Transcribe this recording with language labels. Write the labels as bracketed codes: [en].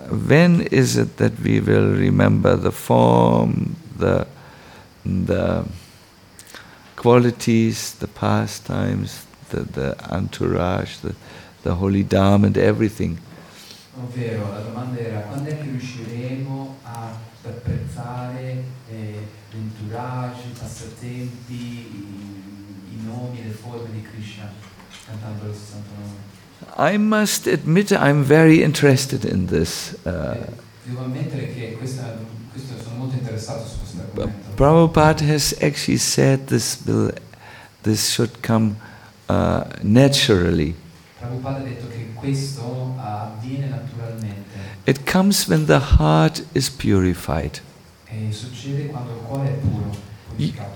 [en] When is it that we will remember the form, the qualities, the pastimes, the entourage, the holy dharma and everything? [it] Ovvero, la domanda era quando è che riusciremo ad apprezzare l'entourage, i passatempi, i nomi e le forme di Krishna cantando lo santo nome. [en] I must admit I'm very interested in this. [it] Devo ammettere che questo sono molto interessato su questo argomento. [en] Prabhupada has actually said this should come naturally. [it] Prabhupada ha detto che questo avviene naturalmente. [en] It comes when the heart is purified. [it] E succede quando il cuore è puro.